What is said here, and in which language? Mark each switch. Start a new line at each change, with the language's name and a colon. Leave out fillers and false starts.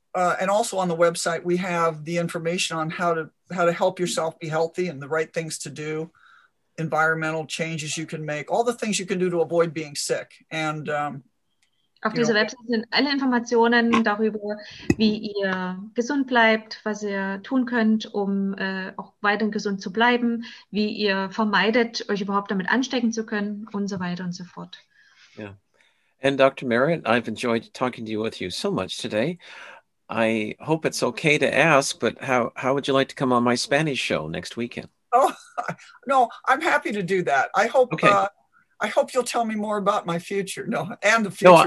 English: And also on the website, we have the information on how to help yourself be healthy and the right things to do, environmental changes you can make, all the things you can do to avoid being sick. And
German: auf dieser Website sind alle Informationen darüber, wie ihr gesund bleibt, was ihr tun könnt, um auch weiterhin gesund zu bleiben, wie ihr vermeidet, euch überhaupt damit anstecken zu können und so weiter und so fort. Ja.
English: Yeah. And Dr. Merritt, I've enjoyed talking to you with you so much today. I hope it's okay to ask, but how would you like to come on my Spanish show next weekend? Oh, no, I'm happy to do that. I hope okay. I hope you'll tell me more about my future. No, and the future.